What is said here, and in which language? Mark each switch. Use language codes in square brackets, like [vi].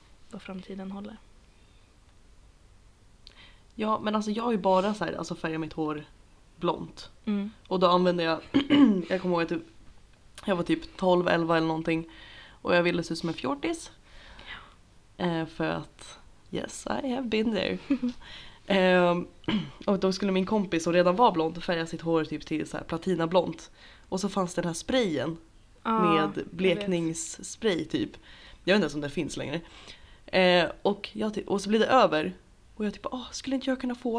[sv] Vad framtiden håller. Ja, men alltså jag har ju bara så här, alltså färgat mitt hår blont. Mm. Och då använde jag, jag kommer ihåg att jag var typ 12, 11 eller någonting. Och jag ville se ut som en fjortis. Ja. För att, [en] yes, I have been there. [sv] Och då skulle min kompis som redan var blond färga sitt hår typ till så här platinablont. Och så fanns det den här sprayen med blekningsspray typ. Jag vet inte om det finns längre. Och så blir det över. Och jag typ, skulle inte jag kunna få?